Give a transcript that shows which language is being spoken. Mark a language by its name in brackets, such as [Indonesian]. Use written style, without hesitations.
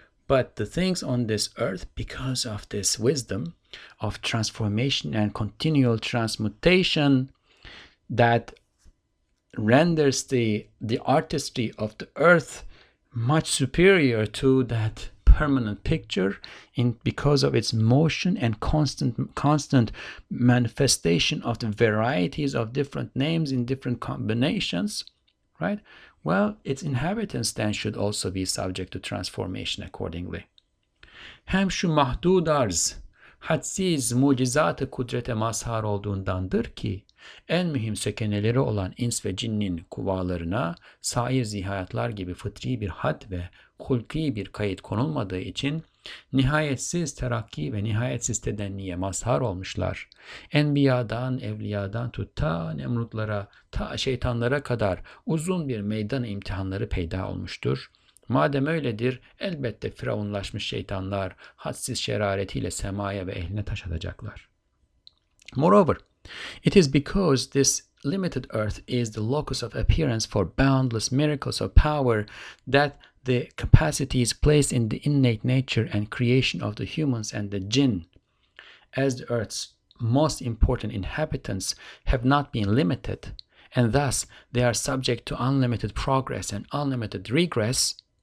[English] But the things on this earth, because of this wisdom of transformation and continual transmutation that renders the artistry of the earth much superior to that permanent picture in because of its motion and constant manifestation of the varieties of different names in different combinations, right? Well, its inhabitants then should also be subject to transformation accordingly. [Turkish] Hem şu mahdud arz hadsiz mucizat-ı kudrete mazhar olduğundandır ki en mühim sekeneleri olan ins ve cinnin kuvalarına sair zihayatlar gibi fıtri bir had ve hulki bir kayıt konulmadığı için nihayetsiz terakki ve nihayetsiz tedenniye mazhar olmuşlar. Enbiyadan, evliyadan tut ta nemrutlara, ta şeytanlara kadar uzun bir meydan imtihanları peyda olmuştur. Madem öyledir, elbette firavunlaşmış şeytanlar hadsiz şeraretiyle semaya ve ehline taş atacaklar. [English] Moreover, it is because this limited earth is the locus of appearance for boundless miracles of power that the capacities placed in the innate nature and creation of the humans and the jinn as the earth's most important inhabitants have not been limited, and thus they are subject to unlimited progress and unlimited regress,